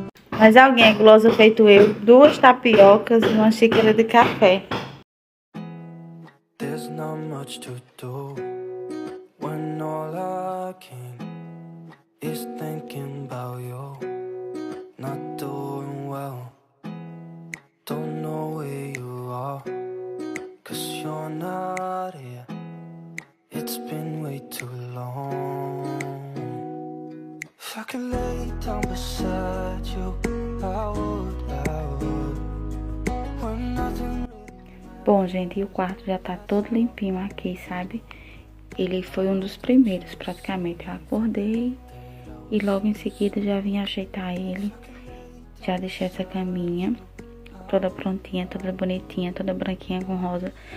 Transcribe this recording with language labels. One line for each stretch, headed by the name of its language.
Portuguese: Mas alguém é guloso feito eu, duas tapiocas e uma xícara de café.
English: There's not much to do when all I can is thinking about you. Not doing well. Don't know where you are. Cause you're not here. It's been way too long. If I could lay down beside you, I would, I would. When nothing.
Portuguese: Bom, gente, e o quarto já tá todo limpinho aqui, sabe? Ele foi um dos primeiros, praticamente. Eu acordei e logo em seguida já vim ajeitar ele. Já deixei essa caminha toda prontinha, toda bonitinha, toda branquinha com rosa.